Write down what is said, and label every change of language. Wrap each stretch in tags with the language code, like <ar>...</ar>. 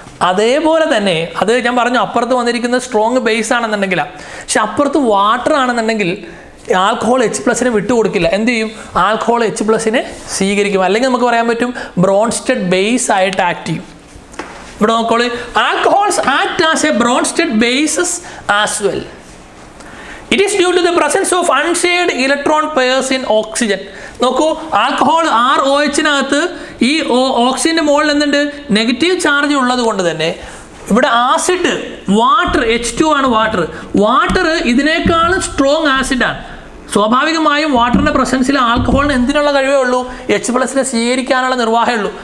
<ml>അതേപോലെ തന്നെ അത് ഞാൻ പറഞ്ഞു, അപ്പുറത്ത് വന്നിരിക്കുന്ന സ്ട്രോങ് ബേസ് ആണെന്നുണ്ടെങ്കിലാണ്, പക്ഷെ അപ്പുറത്ത് വാട്ടർ ആണെന്നുണ്ടെങ്കിൽ ആൽക്കഹോൾ എച്ച് പ്ലസ്സിനെ വിട്ടുകൊടുക്കില്ല, എന്ത് ചെയ്യും, ആൽക്കഹോൾ എച്ച് പ്ലസ്സിനെ സ്വീകരിക്കും, അല്ലെങ്കിൽ നമുക്ക് പറയാൻ പറ്റും ബ്രോൺസ്റ്റഡ് ബേസ് ആയിട്ട് ആക്ട് ചെയ്യും. ഇവിടെ നോക്കോളൂ,</ml> <en>Alcohols act as a Bronsted bases as well. It is due to the presence of unshared electron pairs in oxygen.</en> <ml>നോക്കൂ, ആൽക്കഹോൾ ആർ ഒ എച്ചിനകത്ത് ഈ ഓക്സിജൻ്റെ മുകളിൽ എന്തുണ്ട്, നെഗറ്റീവ് ചാർജ് ഉള്ളത് കൊണ്ട് തന്നെ ഇവിടെ ആസിഡ് വാട്ടർ, എച്ച് ടു ആണ് വാട്ടർ, വാട്ടർ ഇതിനേക്കാളും സ്ട്രോങ് ആസിഡാണ്. സ്വാഭാവികമായും വാട്ടറിൻ്റെ പ്രസൻസിൽ ആൽക്കഹോളിന് എന്തിനുള്ള കഴിവേ ഉള്ളൂ, എച്ച് പ്ലസ്സിനെ സ്വീകരിക്കാനുള്ള നിർവാഹമേ ഉള്ളൂ.</ml>